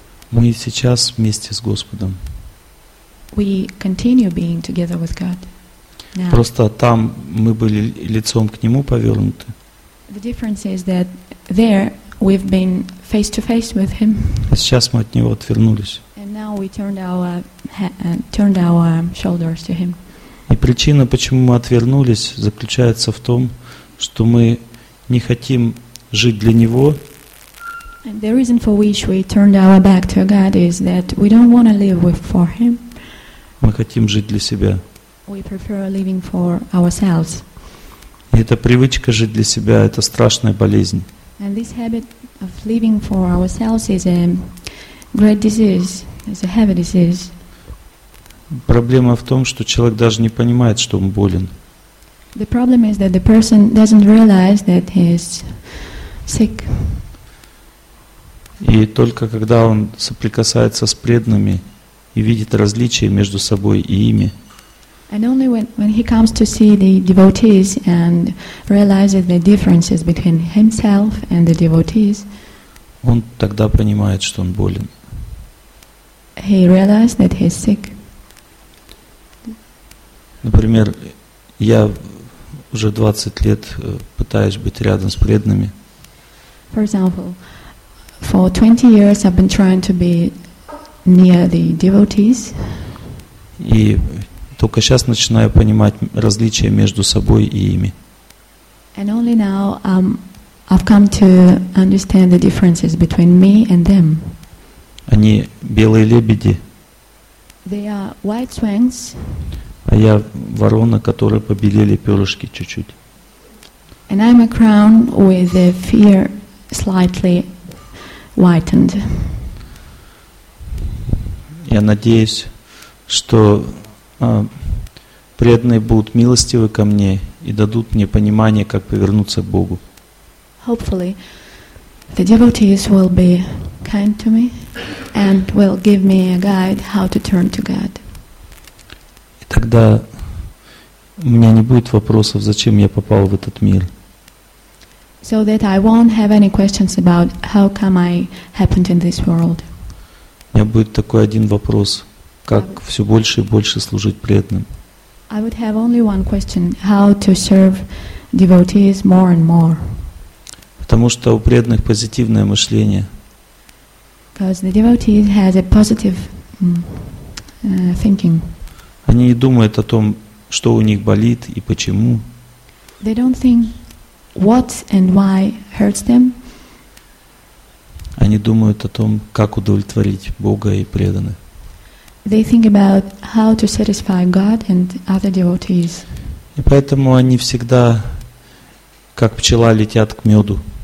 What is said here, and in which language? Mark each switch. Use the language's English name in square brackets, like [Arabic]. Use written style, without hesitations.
[Russian] Мы сейчас вместе с Господом. [English] We continue being together with God. Now. [Russian] Просто там мы были лицом к Нему повернуты. [English] The difference is that there we've been face to face with Him. [Russian] А сейчас мы от Него отвернулись. [English] And now we turned our shoulders to Him. [Russian] И причина, почему мы отвернулись, заключается в том, что мы не хотим жить для Него. [English] And the reason for which we turned our back to God is that we don't want to live for Him. [Russian] Мы хотим жить для себя. [English] We prefer living for ourselves. [Russian] И эта привычка жить для себя — это страшная болезнь. [English] And this habit of living for ourselves is a great disease, is a heavy disease. [Russian] Проблема в том, что человек даже не понимает, что он болен. [English] The problem is that the person doesn't realize that he is sick. [Russian] И только когда он соприкасается с преданными и видит различия между собой и ими, [English] and only when he comes to see the devotees and realizes the differences between himself and the devotees, [Russian] он тогда понимает, что он болен. [English] He realizes that he's sick. [Russian] Например, я уже 20 лет пытаюсь быть рядом с преданными. [English] For example, for 20 years I've been trying to be near the devotees. [Russian] И только сейчас начинаю понимать различия между собой и ими. [English] And only now I've come to understand the differences between me and them. [Russian] Они белые лебеди. [English] They are white swans. [Russian] А я ворона, которой побелели перышки чуть-чуть. [English] And I'm a crown with a fear slightly whitened. [Russian] Я надеюсь, что преданные будут милостивы ко мне и дадут мне понимание, как повернуться к Богу. [English] Hopefully, the devotees will be kind to me and will give me a guide how to turn to God. [Russian] И тогда у меня не будет вопросов, зачем я попал в этот мир. [English] So that I won't have any questions about how come I happened in this world. [Russian] У меня будет такой один вопрос, как все больше и больше служить преданным. [English] I would have only one question, how to serve devotees more and more. [Russian] Потому что у преданных позитивное мышление. [English] Because the devotee has a positive thinking. [Russian] Они не думают о том, что у них болит и почему. [English] They don't think what and why hurts them. [Russian] Они думают о том, как удовлетворить Бога и преданных. [English] They think about how to satisfy God and other devotees. [Russian] И поэтому они всегда, как пчела, летят к меду.